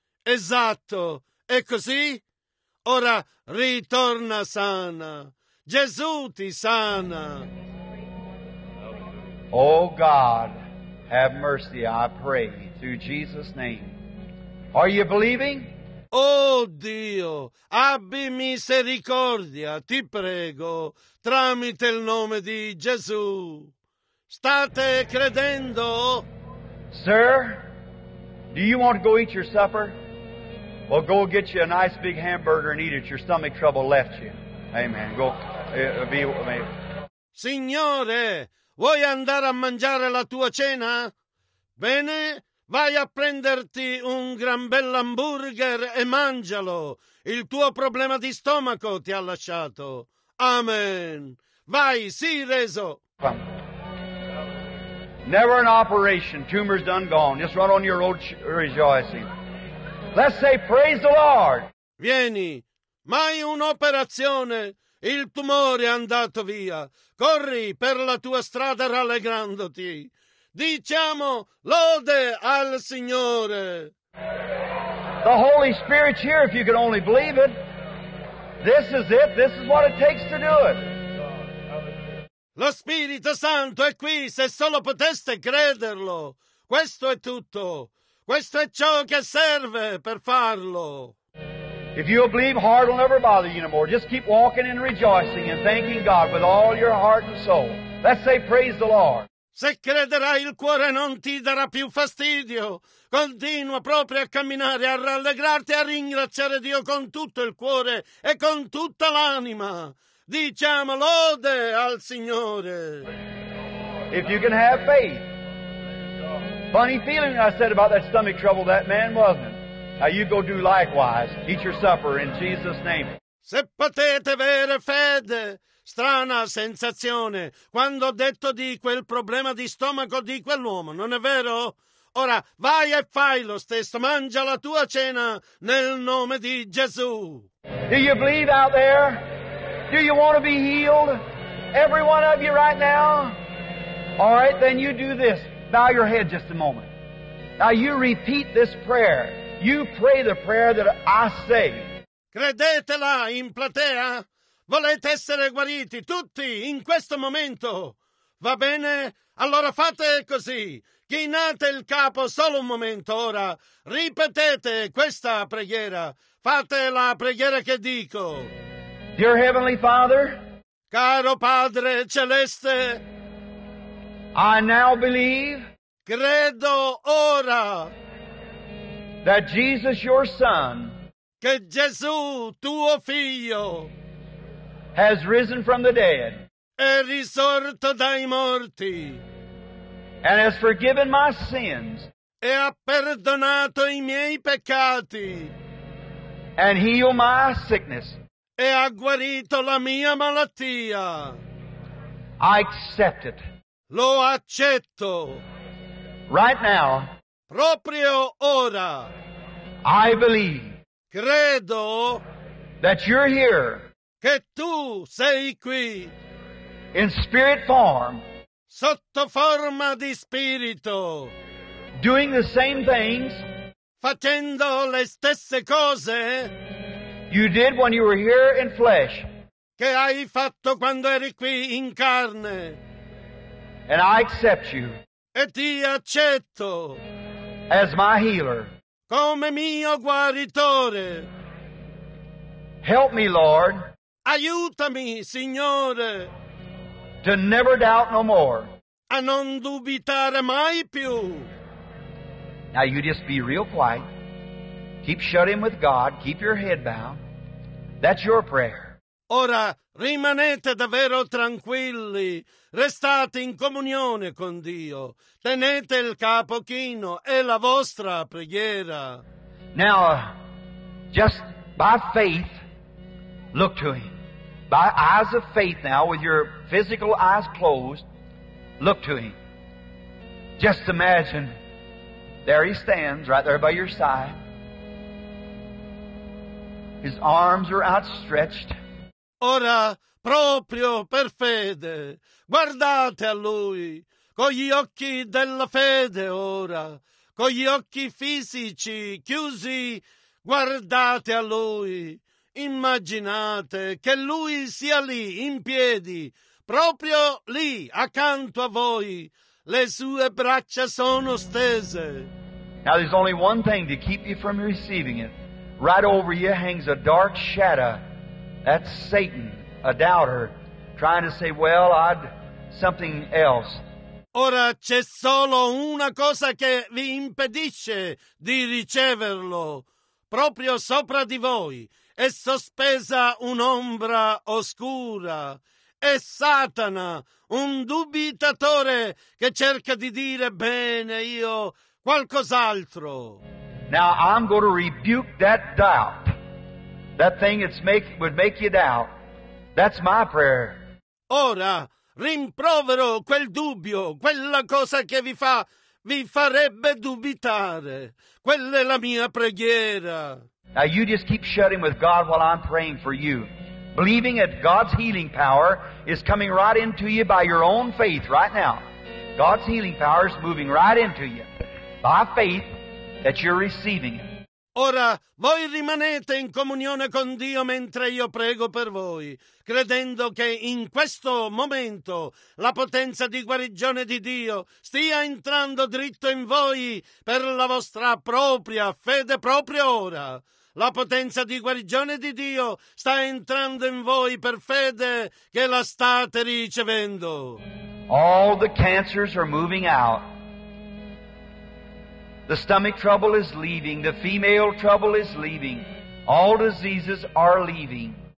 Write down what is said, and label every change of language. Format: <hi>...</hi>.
<it>Esatto. È così? Ora ritorna sana. Gesù ti sana.</it> <en>Oh God, have mercy, I pray, through Jesus' name. Are you believing?</en> <it>Oh Dio, abbi misericordia, ti prego, tramite il nome di Gesù. State credendo?</it> <en>Sir, do you want to go eat your supper? Well, go get you a nice big hamburger and eat it. Your stomach trouble left you. Amen. Go be with me.</en> <it>Signore! Vuoi andare a mangiare la tua cena? Bene, Vai a prenderti un gran bel hamburger e mangialo. Il tuo problema di stomaco ti ha lasciato. Amen. Vai, sii reso.</it> <en>Never an operation. Tumor's done gone. Just run on your road rejoicing. Let's say praise the Lord.</en> <it>Vieni. Mai un'operazione. Il tumore è andato via. Corri per la tua strada rallegrandoti. Diciamo lode al Signore.</it> <en>The Holy Spirit's here if you can only believe it. This is it. This is what it takes to do it.</en> <it>Lo Spirito Santo è qui se solo poteste crederlo. Questo è tutto. Questo è ciò che serve per farlo.</it> <en>If you believe, heart will never bother you anymore. Just keep walking and rejoicing and thanking God with all your heart and soul. Let's say praise the Lord.</en> <it>Se crederai, il cuore non ti darà più fastidio. Continua proprio a camminare, a rallegrarti, a ringraziare Dio con tutto il cuore e con tutta l'anima. Diciamo lode al Signore.</it> <en>If you can have faith. Funny feeling I said about that stomach trouble that man wasn't. Now you go do likewise. Eat your supper in Jesus' name.</en> <it>Se potete avere fede, strana sensazione, quando ho detto di quel problema di stomaco di quell'uomo, non è vero? Ora vai e fai lo stesso, mangia la tua cena nel nome di Gesù.</it> <en>Do you believe out there? Do you want to be healed? Every one of you right now? All right, then you do this. Bow your head just a moment. Now you repeat this prayer. You pray the prayer that I say.</en> <it>Credetela in platea? Volete essere guariti tutti in questo momento? Va bene? Allora fate così. Chinate il capo solo un momento ora. Ripetete questa preghiera. Fate la preghiera che dico.</it> <en>Dear Heavenly Father,</en> <it>caro Padre Celeste,</it> <en>I now believe,</en> <it>credo ora,</it> <en>that Jesus, your Son,</en> <it>che Gesù, tuo figlio,</it> <en>has risen from the dead,</en> <it>è risorto dai morti,</it> <en>and has forgiven my sins,</en> <it>e ha perdonato i miei peccati,</it> <en>and healed my sickness,</en> <it>e ha guarito la mia malattia.</it> <en>I accept it.</en> <it>Lo accetto.</it> <en>Right now.</en> <it>Proprio ora.</it> <en>I believe.</en> <it>Credo.</it> <en>That you're here.</en> <it>Che tu sei qui.</it> <en>In spirit form.</en> <it>Sotto forma di spirito.</it> <en>Doing the same things.</en> <it>Facendo le stesse cose.</it> <en>You did when you were here in flesh.</en> <it>Che hai fatto quando eri qui in carne.</it> <en>And I accept you.</en> <it>E ti accetto.</it> <en>As my healer.</en> <it>Come mio guaritore.</it> <en>Help me, Lord.</en> <it>Aiutami, Signore.</it> <en>To never doubt no more.</en> <it>A non dubitare mai più.</it> <en>Now you just be real quiet. Keep shut in with God. Keep your head bowed. That's your prayer.</en> <it>Ora rimanete davvero tranquilli. Restate in comunione con Dio. Tenete il capo chino. È la vostra preghiera.</it> <en>Now, just by faith, look to Him. By eyes of faith now, with your physical eyes closed, look to Him. Just imagine, there He stands, right there by your side. His arms are outstretched.</en> <it>Ora, proprio per fede, guardate a Lui, con gli occhi della fede ora, con gli occhi fisici chiusi, guardate a Lui. Immaginate che Lui sia lì, in piedi, proprio lì, accanto a voi. Le sue braccia sono stese.</it> <en>Now there's only one thing to keep you from receiving it. Right over you hangs a dark shadow. That's Satan, a doubter, trying to say, well, I'd something else.</en> <it>Ora c'è solo una cosa che vi impedisce di riceverlo. Proprio sopra di voi è sospesa un'ombra oscura. È Satana, un dubitatore che cerca di dire, bene, io qualcos'altro.</it> <en>Now I'm going to rebuke that doubt. That thing that's make would make you doubt. That's my prayer.</en> <it>Ora rimprovero quel dubbio, quella cosa che vi farebbe dubitare. Quella è la mia preghiera.</it> <en>Now you just keep shutting with God while I'm praying for you. Believing that God's healing power is coming right into you by your own faith right now. God's healing power is moving right into you by faith that you're receiving it.</en> <it>Ora, voi rimanete in comunione con Dio mentre io prego per voi, credendo che in questo momento la potenza di guarigione di Dio stia entrando dritto in voi per la vostra propria fede proprio ora. La potenza di guarigione di Dio sta entrando in voi per fede che la state ricevendo.</it> <en>All the cancers are moving out. The stomach trouble is leaving. The female trouble is leaving. All diseases are leaving.</en>